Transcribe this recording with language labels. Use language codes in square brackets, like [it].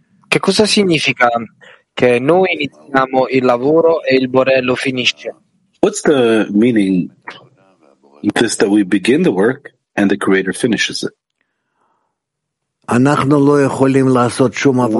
[it] Che cosa significa che noi iniziamo il lavoro e il Borè lo finisce? [en] What's the meaning of this, that we begin the work and the Creator finishes it? [he] אנחנו לא יכולים לעשות שום עבודה.